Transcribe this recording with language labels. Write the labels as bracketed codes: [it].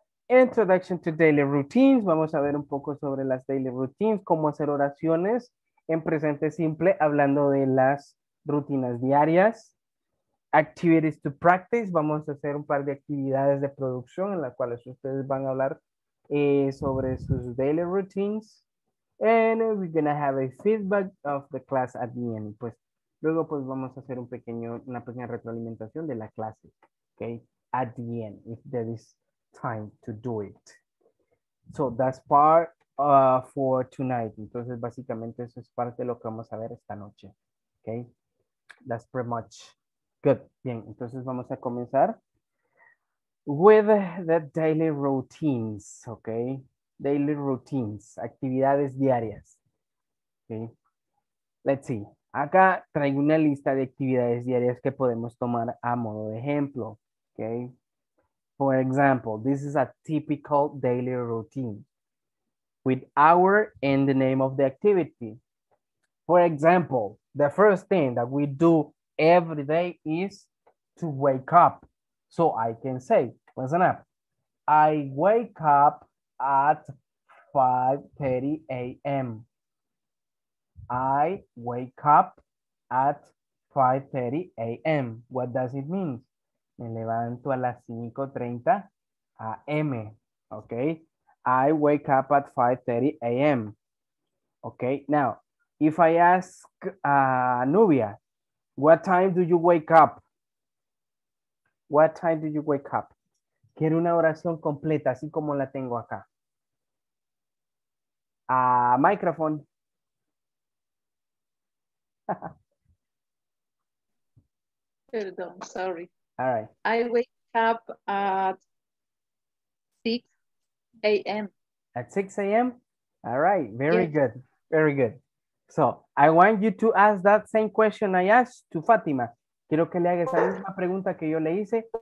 [en] Introduction to daily routines, [es] vamos a ver un poco sobre las daily routines, cómo hacer oraciones en presente simple, hablando de las rutinas diarias. [en] Activities to practice, [es] vamos a hacer un par de actividades de producción en las cuales ustedes van a hablar sobre sus daily routines. [en] And we're gonna have a feedback of the class at the end. [es] Pues luego pues vamos a hacer una pequeña retroalimentación de la clase, okay, [en] at the end, if there is time to do it. So that's part for tonight. [es] Entonces básicamente eso es parte de lo que vamos a ver esta noche, okay. [en] That's pretty much. Good. [es] Bien, entonces vamos a comenzar [en] with the daily routines, okay? Daily routines, [es] actividades diarias, [en] okay? Let's see. [es] Acá traigo una lista de actividades diarias que podemos tomar a modo de ejemplo, okay? [en] For example, this is a typical daily routine with hour and the name of the activity. For example, the first thing that we do every day is to wake up. So I can say, listen up. I wake up at 5:30 a.m. I wake up at 5:30 a.m. What does it mean? [es] Me levanto a las 5:30 a.m. Okay. [en] I wake up at 5:30 a.m. Okay. Now, if I ask Nubia, what time do you wake up? What time do you wake up? [es] Quiero una oración completa, así como la tengo acá. [en] Microphone. [es] Perdón, sorry. [en] All right. I wake up at 6 a.m. At 6 a.m.? All right, very yes. Good, very good. So, I want you to ask that same question I asked to Fátima. [es] Quiero que le haga esa misma pregunta que yo le hice.